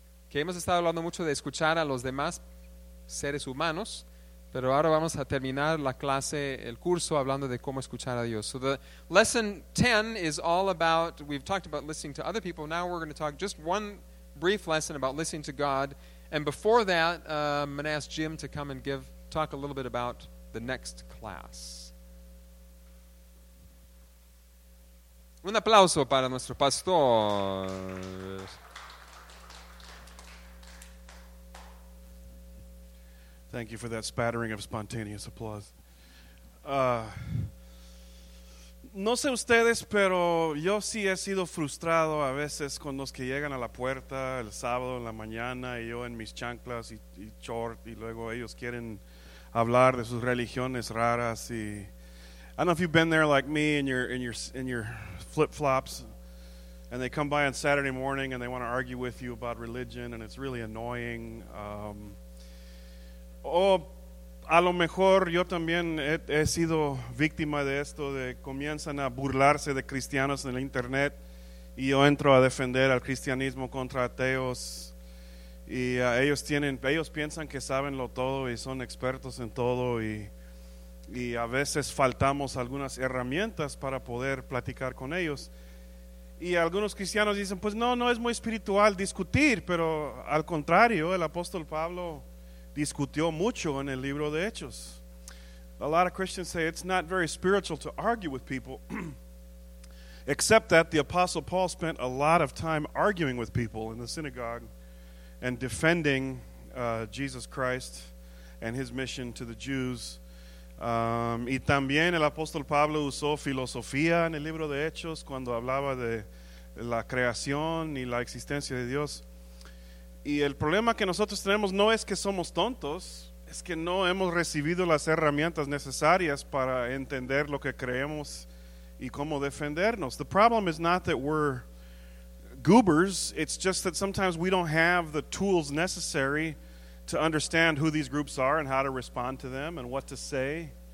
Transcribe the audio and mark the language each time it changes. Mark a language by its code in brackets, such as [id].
[es] Que hemos estado hablando mucho de escuchar a los demás seres humanos. Pero ahora vamos a terminar la clase, el curso, hablando de cómo escuchar a Dios. [en] So the lesson 10 is all about, we've talked about listening to other people. Now we're going to talk just one brief lesson about listening to God. And before that, I'm going to ask Jim to come and talk a little bit about the next class. [es] Un aplauso para nuestro pastor. [en] Thank you for that spattering of spontaneous applause. [es] No sé ustedes, pero yo sí he sido frustrado a veces con los que llegan a la puerta el sábado en la mañana y yo en mis chanclas y short y luego ellos quieren hablar de sus religiones raras. [en] Y I don't know if you've been there like me in your flip-flops, and they come by on Saturday morning and they want to argue with you about religion, and it's really annoying. [es] O a lo mejor yo también he sido víctima de esto, de comienzan a burlarse de cristianos en el internet y yo entro a defender al cristianismo contra ateos y ellos piensan que sabenlo todo y son expertos en todo y a veces faltamos algunas herramientas para poder platicar con ellos. Y algunos cristianos dicen, pues no es muy espiritual discutir, pero al contrario, el apóstol Pablo discutió mucho en el libro de Hechos. [en] A lot of Christians say it's not very spiritual to argue with people, except that the Apostle Paul spent a lot of time arguing with people in the synagogue and defending Jesus Christ and his mission to the Jews. [es] Y también el Apóstol Pablo usó filosofía en el libro de Hechos cuando hablaba de la creación y la existencia de Dios. Y el problema que nosotros tenemos no es que somos tontos, es que no hemos recibido las herramientas necesarias para entender lo que creemos y cómo defendernos. [en] The problem is not that we're goobers, it's just that sometimes we don't have the tools necessary to understand who these groups are and how to respond to them and what to say.